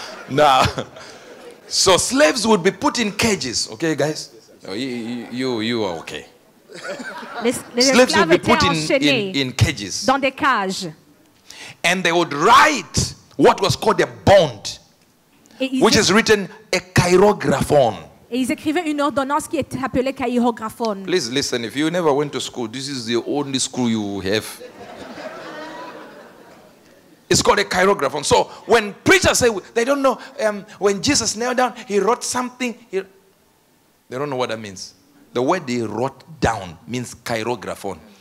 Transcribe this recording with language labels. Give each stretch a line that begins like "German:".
English: Now, so slaves would be put in cages, okay, guys? You are okay. Slaves would be put in cages.
French: Dans des cages.
English: And they would write what was called a bond, which is written a chirographon.
French: Et ils écrivaient une ordonnance qui était appelée chirographon.
English: Please listen, if you never went to school, this is the only school you have. It's called a chirographon. So when preachers say, they don't know, when Jesus knelt down, he wrote something. They don't know what that means. The word he wrote down means chirographon.